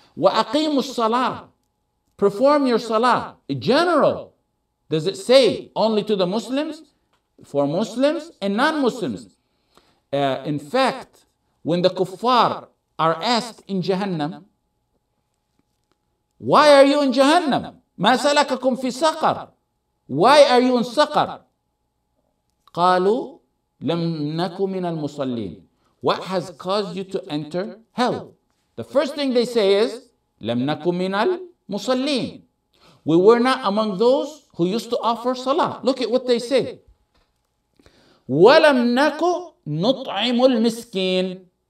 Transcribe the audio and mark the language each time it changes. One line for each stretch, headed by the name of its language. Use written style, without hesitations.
English: Wa aqimu salah, perform your salah. In general, does it say only to the Muslims? For Muslims and non-Muslims. In fact, when the kuffar are asked in Jahannam, why are you in Jahannam?
Arabic: ما سلككم في سقر؟
English: Why are you in
Arabic: سقر؟ قالوا لم نكن من المصلين.
English: What has caused you to enter hell? The first thing they say is
Arabic: لم نكن من المصلين.
English: We were not among those who used to offer salah. Look at what they say.
Arabic: وَلَمْ نَكُ نُطْعِمُ الْمِسْكِينَ.